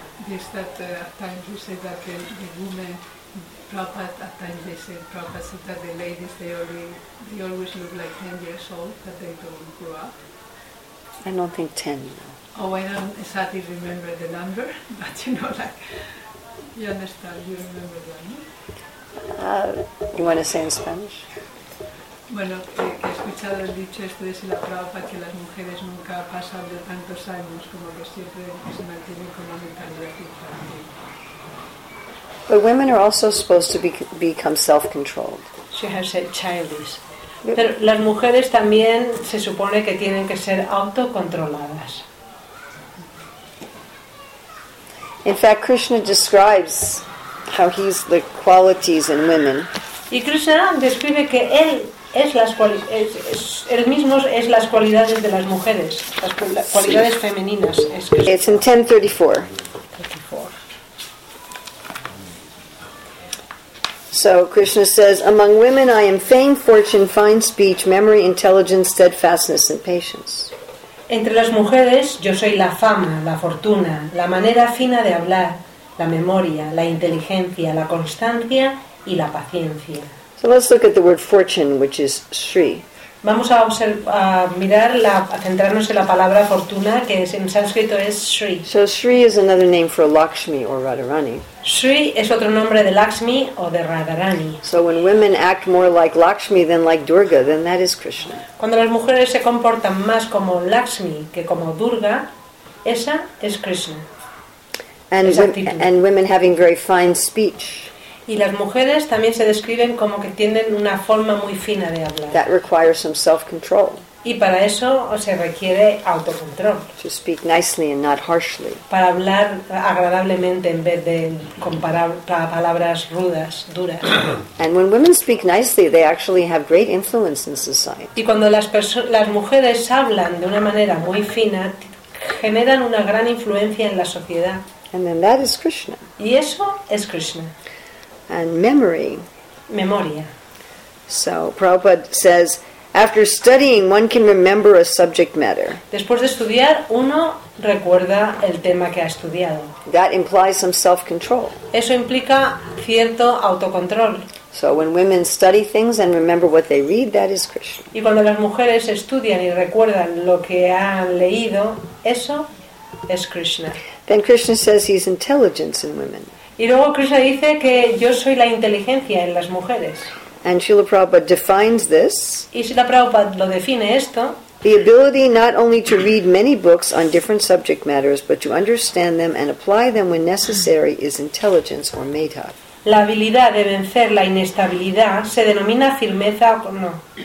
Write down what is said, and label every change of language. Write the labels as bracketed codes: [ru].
[en] Is that at times you say that the women, Prabhupada, at times they say Prabhupada said that the ladies, they always look like 10 years old, that they don't grow up. I don't think 10. Oh, I don't exactly remember the number, but you know, like, you understand, you remember that, no? You want to say in Spanish? [es] Bueno, que he escuchado el dicho este de la Prabhupada que las mujeres nunca pasan de tantos años como que siempre se mantienen con la mentalidad infantil. [en] But women are also supposed to become self-controlled. She has said childish. Yep. [es] Pero las mujeres también se supone que tienen que ser autocontroladas. [en] In fact, Krishna describes how he's the qualities in women. [es] Y Krishna describe que él es las el mismo es las cualidades de las mujeres, las cualidades femeninas. [en] It's in 10:34. So Krishna says, among women I am fame, fortune, fine speech, memory, intelligence, steadfastness and patience. [es] Entre las mujeres yo soy la fama, la fortuna, la manera fina de hablar, la memoria, la inteligencia, la constancia y la paciencia. [en] So let's look at the word fortune, which is Sri. [es] Vamos a centrarnos en la palabra fortuna, que en sánscrito es Sri. [en] So Sri is another name for Lakshmi or Radharani. [es] Sri es otro nombre de Lakshmi o de Radharani. [en] So when women act more like Lakshmi than like Durga, then that is Krishna. [es] Cuando las mujeres se comportan más como Lakshmi que como Durga, esa es Krishna. [en] And women having very fine speech. [es] Y las mujeres también se describen como que tienen una forma muy fina de hablar. [en] That requires some self-control. [es] Y para eso se requiere autocontrol. [en] To speak nicely and not harshly. [es] Para hablar agradablemente en vez de comparar palabras rudas, duras. [en] And when women speak nicely, they actually have great influence in society. [es] Y cuando las mujeres hablan de una manera muy fina, generan una gran influencia en la sociedad. [en] And then that is Krishna. [es] Y eso es Krishna. [en] And memory. [es] Memoria. [en] So Prabhupada says, after studying, one can remember a subject matter. [es] Después de estudiar, uno recuerda el tema que ha estudiado. [en] That implies some self-control. [es] Eso implica cierto autocontrol. [en] So when women study things and remember what they read, that is Krishna. [es] Y cuando las mujeres estudian y recuerdan lo que han leído, eso es Krishna. [en] Then Krishna says he's intelligence in women. [es] Y luego Krishna dice que yo soy la inteligencia en las mujeres. [en] And Srila Prabhupada defines this. [es] Y Srila Prabhupada lo define esto. [en] The ability not only to read many books on different subject matters, but to understand them and apply them when necessary is intelligence or metta. [es] La habilidad de vencer la inestabilidad se denomina firmeza. No.